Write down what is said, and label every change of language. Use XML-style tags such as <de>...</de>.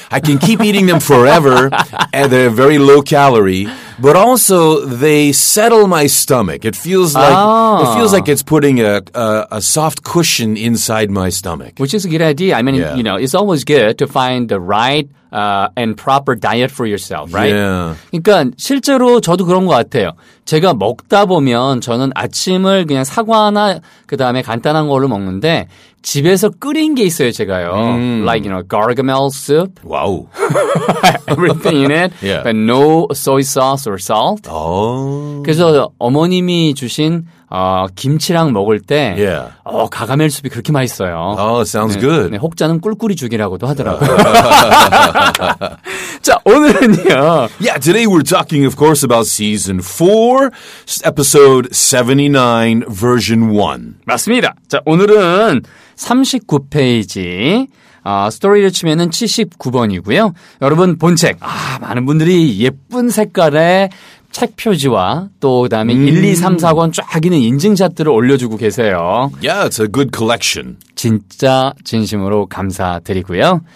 <en>I can keep eating them forever, and they're very low calorie. But also, they settle my stomach. It feels like it's putting a soft cushion inside my stomach. Which is a good idea. I mean, you know, it's always good to find the right and proper diet for yourself, right? Yeah.</en> <ko>그러니까 실제로 저도 그런 것 같아요. 제가 먹다 보면 저는 아침을 그냥 사과나 그다음에 간단한 걸로 먹는데 집에서 끓인 게 있어요, 제가요.</ko> <en>Like, you know, gargamel soup. Wow. Everything in it. Yeah. But no soy sauce or salt. Oh.</en> <ko>그래서 어머님이 주신 김치랑 먹을 때 가가멜 수프 그렇게 맛있어요.</ko> <en>Oh, sounds good.</en> <ko>네, 혹자는 꿀꿀이 죽이라고도 하더라고요. 자, 오늘은요.</ko> <en>Yeah, today we're talking, of course, about season 4, episode 79, version 1.</en> <ko>맞습니다. 자, 오늘은 39페이지. 스토리를 치면은 79번이고요. 여러분, 본책. 아, 많은 분들이 예쁜 색깔의 책 표지와 또 그다음에 1, 2, 3, 4권 쫙 있는 인증샷들을 올려주고 계세요.</ko> <en>Yeah, it's a good collection.</en> <ko>진짜 진심으로 감사드리고요.</ko>